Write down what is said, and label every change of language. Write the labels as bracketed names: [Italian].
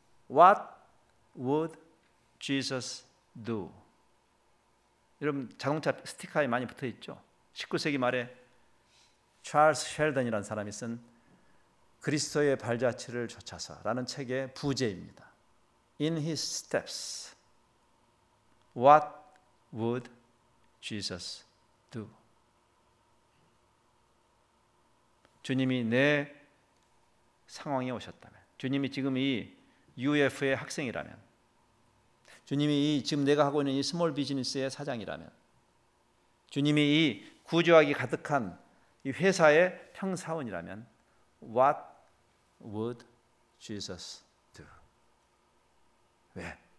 [English] What would Jesus do? [Korean] 여러분 자동차 스티커에 많이 붙어있죠. 19세기 말에 찰스 셸던이라는 사람이 쓴 그리스도의 발자취를 쫓아서 라는 책의 부제입니다. [English] In his steps, what would Jesus do? [Korean] 주님이 내 상황에 오셨다면, 주님이 지금 이 UF의 학생이라면, 주님이 이 지금 내가 하고 있는 이 스몰 비즈니스의 사장이라면, 주님이 이 구조악이 가득한 이 회사의 평사원이라면, [English] what would Jesus do? [Korean] 왜?